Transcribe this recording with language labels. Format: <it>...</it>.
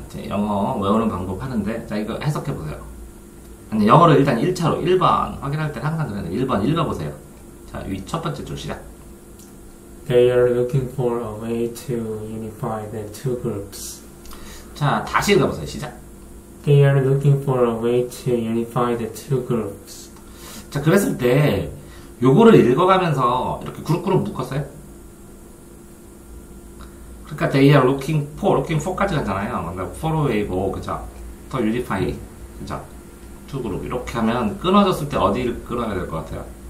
<ko>이제 영어 외우는 방법 하는데, 자, 이거 해석해보세요. 아니, 영어를 일단 1차로 1번 확인할 때 항상 그러는데, 1번 읽어보세요. 자, 위 첫 번째 줄 시작.</ko> <en>They are looking for a way to unify the two groups.</en> <ko>자, 다시 읽어보세요. 시작.</ko> <en>They are looking for a way to unify the two groups.</en> <ko>자, 그랬을 때, 요거를 읽어가면서 이렇게 그룹그룹 묶었어요? 그러니까</ko> <en>they are looking for, looking for</en> <ko>까지 가잖아요. 그러니까</ko> <en>for way,</en> <ko>뭐, 그죠?</ko> <en>To unify,</en> <ko>그죠?</ko> <en>two group.</en> <ko>이렇게 하면 끊어졌을 때 어디를 끊어야 될 것 같아요?</ko>